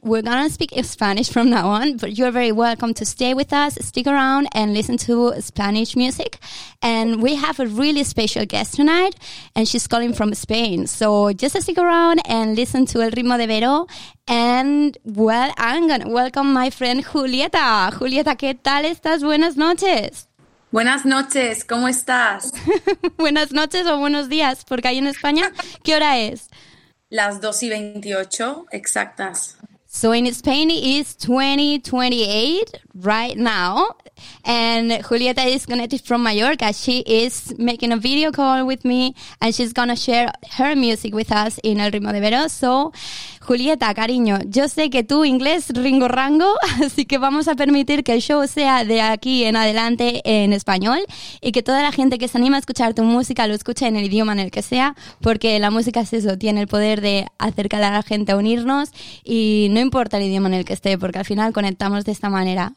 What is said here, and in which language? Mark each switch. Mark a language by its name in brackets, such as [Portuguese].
[English] We're gonna speak Spanish from now on, but you're very welcome to stay with us, stick around and listen to Spanish music. And we have a really special guest tonight, and she's calling from Spain. So just stick around and listen to el ritmo de Vero. And, well, I'm going to welcome my friend Julieta. [Spanish] Julieta, ¿qué tal estás? Buenas noches. Buenas noches, ¿cómo estás? Buenas noches o buenos días, porque ahí en España, ¿qué hora es? Las 2:28, exactas. [English] So in Spain it's 20:28 right now. And Julieta is connected from Mallorca. She is making a video call with me and she's going to share her music with us in El Ritmo de Vero. [Spanish] So, Julieta, cariño, yo sé que tú inglés ringo rango, así que vamos a permitir que el show sea de aquí en adelante en español y que toda la gente que se anima a escuchar tu música lo escuche en el idioma en el que sea, porque la música es eso, tiene el poder de acercar a la gente a unirnos y no importa el idioma en el que esté, porque al final conectamos de esta manera.